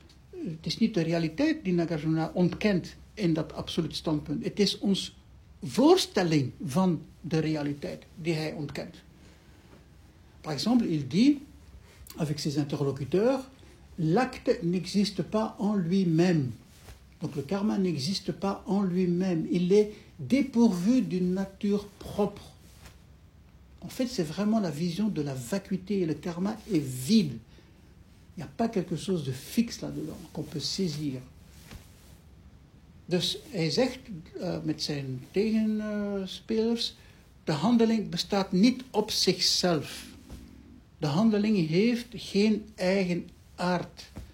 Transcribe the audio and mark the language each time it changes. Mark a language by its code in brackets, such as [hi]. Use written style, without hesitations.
[nl] Het is niet de realiteit die Nagarjuna ontkent in dat absolute standpunt. Het is ons voorstelling van de realiteit die hij ontkent. [fr] Par exemple, il dit, avec ses interlocuteurs, l'acte n'existe pas en lui-même. Donc le karma n'existe pas en lui-même. Il est dépourvu d'une nature propre. En fait, c'est vraiment la vision de la vacuité. Le karma est vide. Il n'y a pas quelque chose de fixe là-dedans, qu'on peut saisir. [nl] Dus hij zegt met zijn tegenspelers, de handeling bestaat niet op zichzelf. De handeling heeft geen eigen aard.